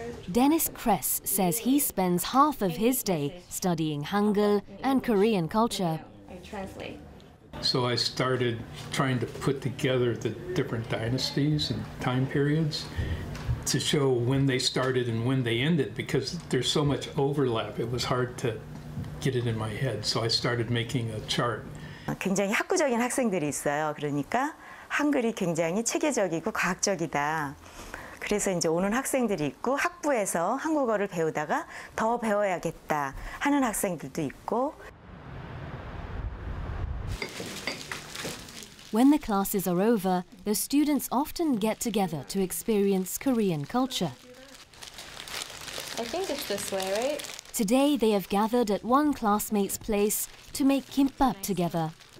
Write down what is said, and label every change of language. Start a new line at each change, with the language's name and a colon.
English: Dennis Kress says he spends half of his day studying Hangul and Korean culture. So I started trying to put together the different dynasties and time periods to show when they started and when they ended, because there's so much overlap, it was hard to get it in my head. So I started making a chart.
Korean: 굉장히 학구적인 학생들이 있어요. 그러니까 한글이 굉장히 체계적이고 과학적이다. 그래서 이제 오는 학생들이 있고 학부에서 한국어를 배우다가 더 배워야겠다 하는 학생들도 있고.
English: When the classes are over, the students often get together to experience Korean culture. I think it's this way, right? Today, they have gathered at one classmate's place to make kimbap together.